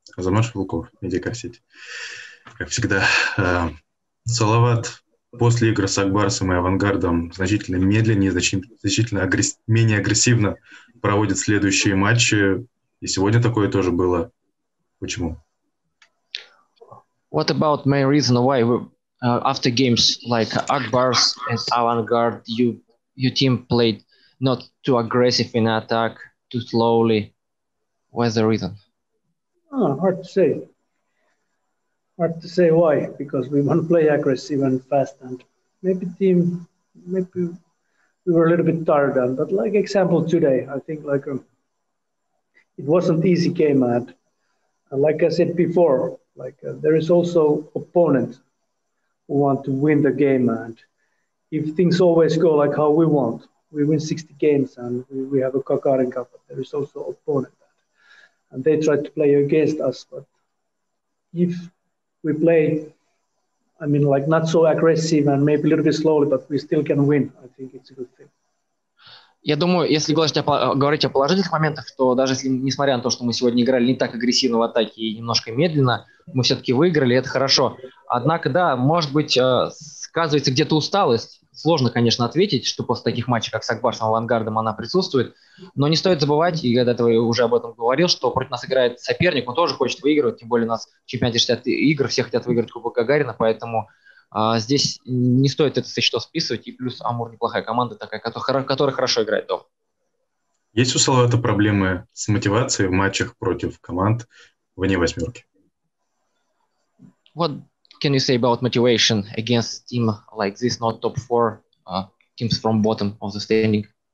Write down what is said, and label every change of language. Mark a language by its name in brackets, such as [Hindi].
[Russian] Азамат Шелуков, Медиакарсеть. Как всегда, Салават после игры с Акбарсом и Авангардом значительно медленнее, значительно менее агрессивно проводит следующие матчи. И сегодня такое тоже было. Почему? [English] What about main reason why after games like Akbars and Avangard your team played not too aggressive in attack, too slowly? What's the reason? Hard to say why, because we want to play aggressive and fast, and maybe we were a little bit tired then. But like example today, I think like it wasn't easy game, and like I said before, there is also opponent who want to win the game, and if things always go like how we want, we win 60 games and we have a Kakarin Cup, but there is also opponent that, and they try to play against us. But if we play, not so aggressive and maybe a little bit slowly, but we still can win. I think it's a good thing. [Russian] Я думаю, если говорить о положительных моментах, то даже если, несмотря на то, что мы сегодня играли не так агрессивно в атаке и немножко медленно, мы все-таки выиграли, это хорошо. Однако, да, может быть, сказывается где-то усталость. Сложно, конечно, ответить, что после таких матчей, как с Акбарсом и Авангардом, она присутствует. Но не стоит забывать, и я до этого уже об этом говорил, что против нас играет соперник, он тоже хочет выигрывать, тем более у нас в чемпионате 60 игр, все хотят выиграть Кубок Гагарина, поэтому здесь не стоит это со счетов списывать, и плюс Амур неплохая команда такая, которая хорошо играет дома. Есть у Салавата проблемы с мотивацией в матчах против команд вне восьмерки? [English] What can you say about motivation against team like this, not top four, teams from bottom of the standing?